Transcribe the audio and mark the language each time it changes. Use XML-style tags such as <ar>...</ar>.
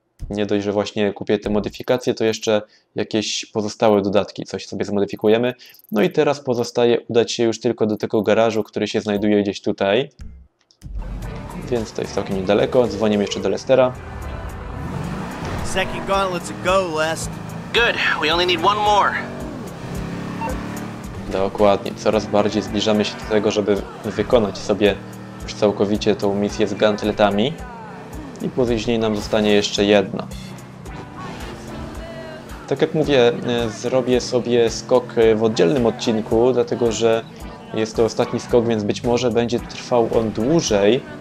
<pl>Nie dość, że właśnie kupię te modyfikacje, to jeszcze jakieś pozostałe dodatki, coś sobie zmodyfikujemy. No i teraz pozostaje udać się już tylko do tego garażu, który się znajduje gdzieś tutaj. Więc to jest całkiem niedaleko. Dzwonimy jeszcze do Lestera.</pl> <en>Second gauntlet's a go, Lest. Good, we only need one more.</en> <pl>Dokładnie, coraz bardziej zbliżamy się do tego, żeby wykonać sobie już całkowicie tą misję z gantletami. I później nam zostanie jeszcze jedna. Tak jak mówię, zrobię sobie skok w oddzielnym odcinku, dlatego że jest to ostatni skok, więc być może będzie trwał on dłużej.</pl>